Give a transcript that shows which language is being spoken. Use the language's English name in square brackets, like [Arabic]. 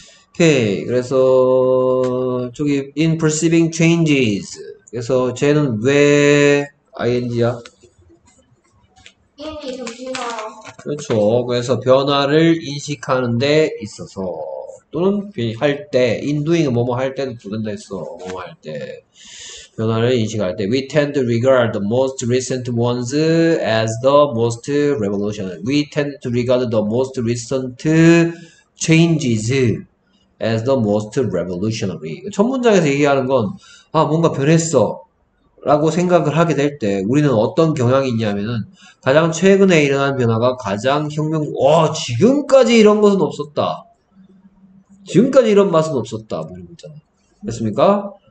[Korean] 오케이. 그래서 저기 [English] in perceiving changes. [Korean] 그래서 쟤는 왜 ing야? 이미 그렇죠. 그래서 변화를 인식하는 데 있어서 또는 할 때, [English] in doing [Korean] 뭐뭐 할 때도 부른다 했어. 뭐뭐 할 때. 변화를 인식할 때. [English] We tend to regard the most recent ones as the most revolutionary. We tend to regard the most recent changes as the most revolutionary. [Korean] 첫 문장에서 얘기하는 건, 아, 뭔가 변했어. 라고 생각을 하게 될 때, 우리는 어떤 경향이 있냐면은, 가장 최근에 일어난 변화가 가장 혁명, 와, 지금까지 이런 것은 없었다. 지금까지 이런 맛은 없었다. 뭐 이런 거 있잖아. 됐습니까?